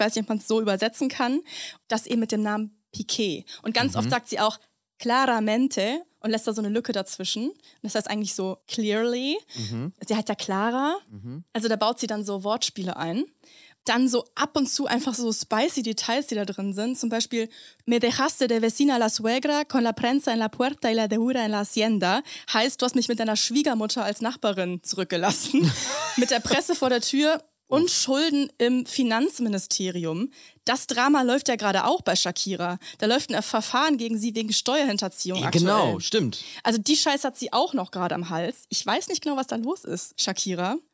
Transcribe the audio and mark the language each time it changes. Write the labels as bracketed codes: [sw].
[de] Ich weiß nicht, ob man es so übersetzen kann. Das eben mit dem Namen Piqué. Und ganz oft sagt sie auch claramente und lässt da so eine Lücke dazwischen. Und das heißt eigentlich so clearly. Mhm. Sie hat ja Clara. Mhm. Also da baut sie dann so Wortspiele ein. Dann so ab und zu einfach so spicy Details, die da drin sind. Zum Beispiel, [es] me dejaste de vecina la suegra con la prensa en la puerta y la deuda en la hacienda. [de] Heißt, du hast mich mit deiner Schwiegermutter als Nachbarin zurückgelassen. Mit der Presse vor der Tür und Schulden im Finanzministerium. Das Drama läuft ja gerade auch bei Shakira. Da läuft ein Verfahren gegen sie wegen Steuerhinterziehung aktuell. Genau, stimmt. Also die Scheiße hat sie auch noch gerade am Hals. Ich weiß nicht genau, was da los ist, Shakira.